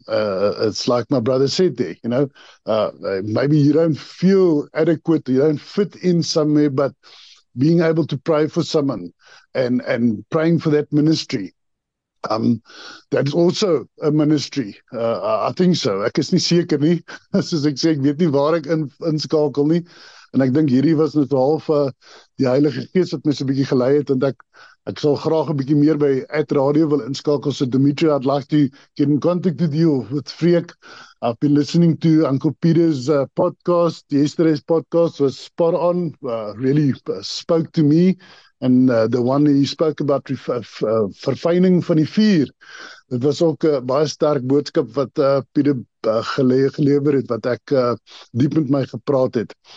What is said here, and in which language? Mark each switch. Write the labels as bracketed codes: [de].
[en] It's like my brother said there, you know. Maybe you don't feel adequate, you don't fit in somewhere, but being able to pray for someone and praying for that ministry, that's also a ministry. I think so. [af] Ek is nie seker nie. Soos ek sê, ek weet nie waar ek inskakel nie. En ek dink hierdie was net half die Heilige Gees wat my so 'n bietjie gelei het, want ek sal graag 'n bietjie meer by At Radio wil inskakel. [en] So Dimitri, I'd like to get in contact with you, with Freek. I've been listening to Uncle Peter's podcast. Yesterday's podcast was spot on, really spoke to me. And the one that he spoke about, [af] verfyning van die vuur, dit was ook 'n baie sterk boodskap wat Pieter gelewer het, wat ek diep met my gepraat het.